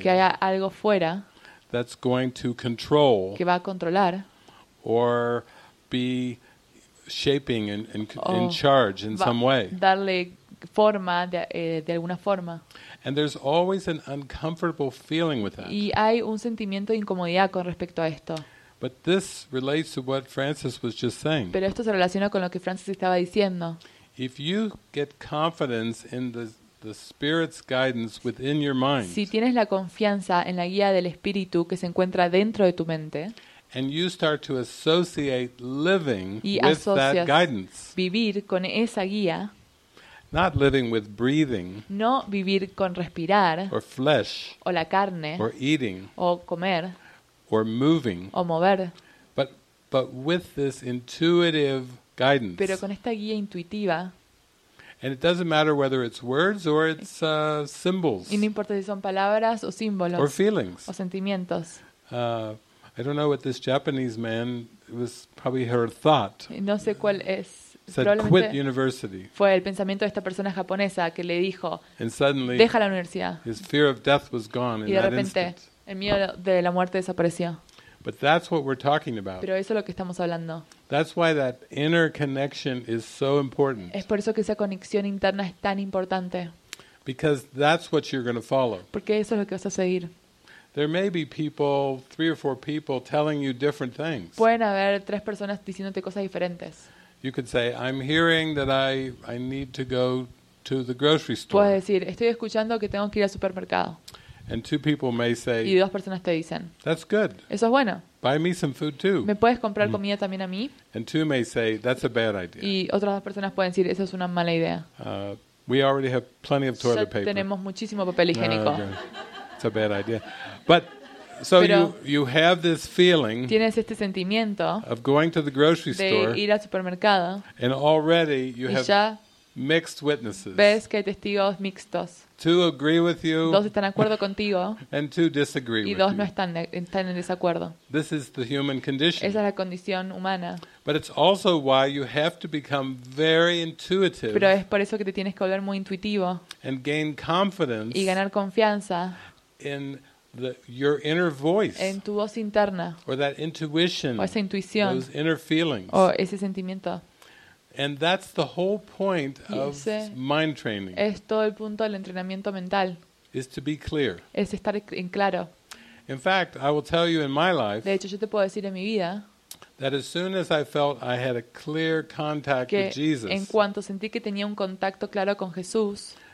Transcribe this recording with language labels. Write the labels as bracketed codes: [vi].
[es] Que haya algo fuera. [en] That's going to control, [es] que va a controlar, [en] or be shaping and charge in some way. [es] Darle forma de alguna forma. [en] And there's always an uncomfortable feeling with that. [es] Y hay un sentimiento de incomodidad con respecto a esto. [en] But this relates to what Francis was just saying. [es] Pero esto se relaciona con lo que Francis estaba diciendo. [en] If you get confidence in the Spirit's guidance within your mind. [es] Si tienes la confianza en la guía del Espíritu que se encuentra dentro de tu mente. [en] And you start to associate living with that guidance. [es] Vivir con esa guía. [en] Not living with breathing. [es] No vivir con respirar. [en] Or flesh. [es] O la carne. [en] Or eating. [es] O comer. [en] Or moving. [es] O mover. [en] But with this intuitive guidance. [es] Pero con esta guía intuitiva. [en] And it doesn't matter whether it's words or it's symbols. [es] Y no importa si son palabras o símbolos. [en] Or feelings. [es] O sentimientos. [en] I don't know what this Japanese man, it was probably her thought. [es] No sé cuál es. [en] Said, quit university. [es] Fue el pensamiento de esta persona japonesa que le dijo, [en] and suddenly, [es] deja la universidad. [en] His fear of death was gone [es] y de repente, [en] in that instant. [es] El miedo de la muerte desapareció. [en] But that's what we're talking about. [es] Pero eso es lo que estamos hablando. [en] That's why that inner connection is so important. [es] Es por eso que esa conexión interna es tan importante. [en] Because that's what you're going to follow. [es] Porque eso es lo que vas a seguir. [en] There may be people, three or four people, telling you different things. [es] Pueden haber tres personas diciéndote cosas diferentes. [en] You could say, "I'm hearing that I need to go to the grocery store." [es] Puedes decir, estoy escuchando que tengo que ir al supermercado. [en] And two people may say, [es] y dos personas te dicen, [en] "That's good." [es] Eso es bueno. [en] Buy me some food too. [es] Me puedes comprar comida también a mí. [en] And two may say, "That's a bad idea." [es] Y otras dos personas pueden decir, "Eso es una mala idea." [en] We already have plenty of toilet paper. [es] Ya tenemos muchísimo papel higiénico. Okay. [en] It's a bad idea. But so you have this feeling, [es] tienes este sentimiento [en] of going to the grocery store, [es] de ir al supermercado, [en] and already you have mixed witnesses. [es] Ves que hay testigos mixtos. [en] Two agree with you, [es] dos están de acuerdo contigo, [en] and two disagree [es] y dos no están en desacuerdo. [en] This is the human condition. [es] Esa es la condición humana. [en] But it's also why you have to become very intuitive. [es] Pero es por eso que te tienes que volver muy intuitivo. [en] And gain confidence. [es] Y ganar confianza. [en] In your inner voice. [es] En tu voz interna. [en] Or that intuition. [es] O esa intuición. [en] Those inner feelings. [es] O ese sentimiento. [en] And that's the whole point of mind training. [es] Es todo el punto del entrenamiento mental. [en] Is to be clear. [es] Es estar en claro. [en] In fact, I will tell you in my life. [es] De hecho, yo te puedo decir en mi vida. [en] That as soon as I felt I had a clear contact with Jesus. [es] En cuanto sentí que tenía un contacto claro con Jesús.